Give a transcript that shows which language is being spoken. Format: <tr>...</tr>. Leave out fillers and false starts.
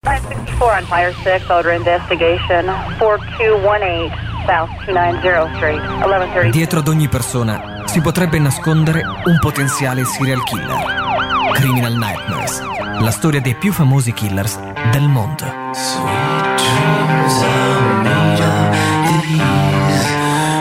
<en>4 on Fire 6, order investigation. 4218 South 290 Street, 1130.</en> <it>Dietro ad ogni persona si potrebbe nascondere un potenziale serial killer. Criminal Nightmares, la storia dei più famosi killers del mondo.</it> <en>Sweet dreams are made of these.</en>